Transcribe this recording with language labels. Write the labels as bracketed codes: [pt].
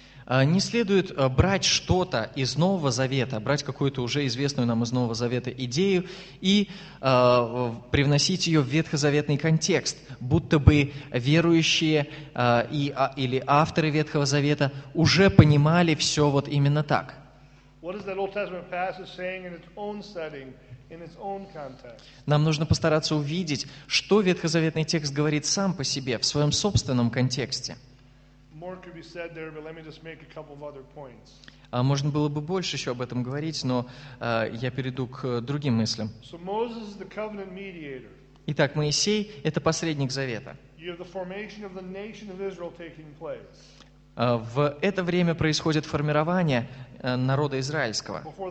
[ru] Не следует брать что-то из Нового Завета, брать какую-то уже известную нам из Нового Завета идею и привносить ее в ветхозаветный контекст, будто бы верующие или авторы Ветхого Завета уже понимали все вот именно так. [en] What is that Old Testament passage saying in its own setting, in its own context? [ru] Нам нужно постараться увидеть, что ветхозаветный текст говорит сам по себе в своем собственном контексте. [en] More could be said there, but let me just make a couple of other points. [ru] Можно было бы больше еще об этом говорить, но я перейду к другим мыслям. [en] So Moses is the covenant mediator. [ru] Итак, Моисей — это посредник завета. [en] You have the formation of the nation of Israel taking place. [ru] В это время происходит формирование народа израильского.